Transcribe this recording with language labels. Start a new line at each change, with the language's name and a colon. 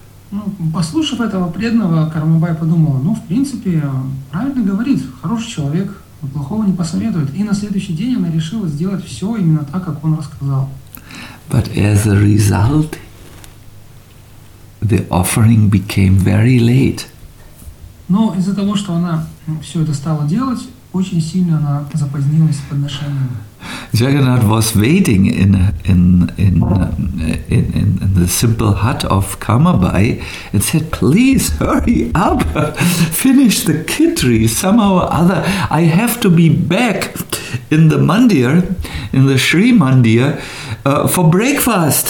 Russian: Ну, послушав этого преданного, Кармабай подумала, ну, в принципе, правильно говорит, хороший человек, плохого не посоветует. И на следующий день она решила сделать все именно так, как он рассказал.
English: But as a result, the offering became very late.
Russian: Но из-за того, что она все это стала делать, очень сильно она запозднилась с подношением.
English: Jagannath was waiting in the simple hut of Kamabai and said, "Please hurry up, finish the khichdi somehow or other. I have to be back in the mandir, in the Sri mandir, for breakfast.